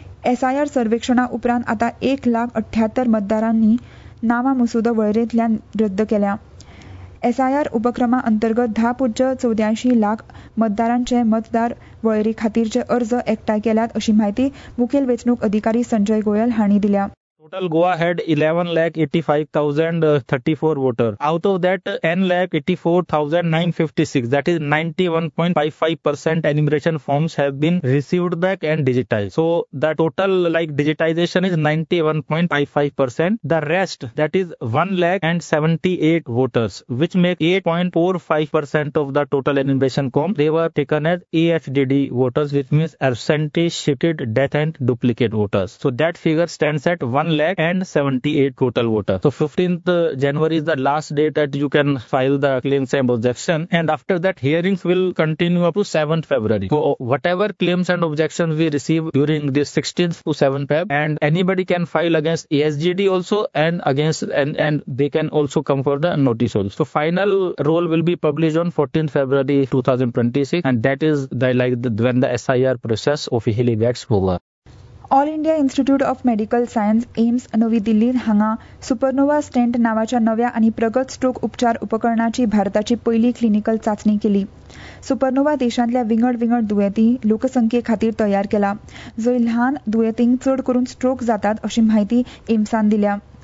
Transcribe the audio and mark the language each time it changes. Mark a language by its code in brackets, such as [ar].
[gom] SIR सर्वेक्षणा उपरांत आता 1,78,000 मतदारांनी नावा मसुदो वळेरेंतल्यान रद्द केल्या. एसआयआर उपक्रमा अंतर्गत 10.84 लाख मतदारांचे मतदार वळेरी खातीरचे अर्ज एकठांय केल्यात अशी माहिती मुखेल वेंचणूक अधिकारी संजय गोयल हांणी दिल्या. [en] Total Goa had 11,85,034 voters. Out of that, 10,84,956, that is 91.55% enumeration forms have been received back and digitized. So, the total like digitization is 91.55%. The rest, that is 1,78,000 voters, which make 8.45% of the total enumeration form, they were taken as AHDD voters, which means absentee, shifted, death and duplicate voters. So, that figure stands at 1,78,000 total voter. So 15th January is the last date that you can file the claims and objection, and after that hearings will continue up to 7th February. So whatever claims and objections we receive during this 16th to 7th Feb, and anybody can file against ASGD also, and against and they can also come for the notice also. So final roll will be published on 14th February 2026, and that is when the SIR process officially gets over. [gom] All India institute of medical science AIIMS नवी दिल्लीत हांगा supernova stent नावाच्या नव्या आणि प्रगत stroke उपचार उपकरणाची भारताची पहिली क्लिनिकल चाचणी केली. सुपरनोवा देशांतल्या विंगड विंगड दुयेंती लोकसंख्ये खातीर तयार केला, जंय ल्हान दुयेंतींक चड करून स्ट्रोक जातात अशी माहिती एम्सान दिल्या.